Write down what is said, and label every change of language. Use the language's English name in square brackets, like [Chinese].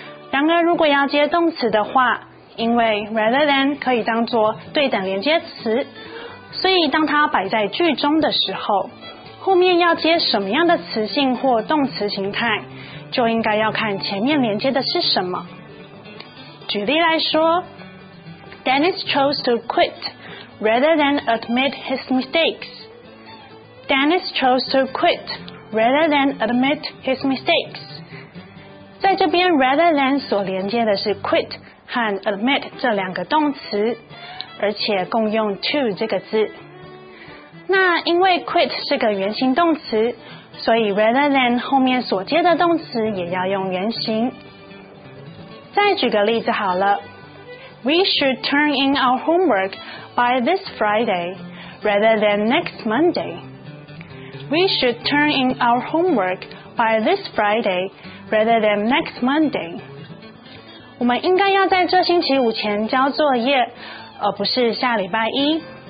[Chinese] 然而如果要接动词的话，因为 rather than 可以当作对等连接词，所以当它摆在句中的时候，后面要接什么样的词性或动词形态，就应该要看前面连接的是什么。举例来说， [English] Dennis chose to quit rather than admit his mistakes. Dennis chose to quit rather than admit his mistakes. [Chinese] 在这边 rather than 所连接的是 quit 和 admit 这两个动词，而且共用 to 这个字。那因为 quit 是个原形动词，所以 rather than 后面所接的动词也要用原形。再举个例子好了， [English] We should turn in our homework by this Friday rather than next Monday. We should turn in our homework by this Friday rather than next Monday. [Chinese] 我们应该要在这星期五前交作业，而不是下礼拜一。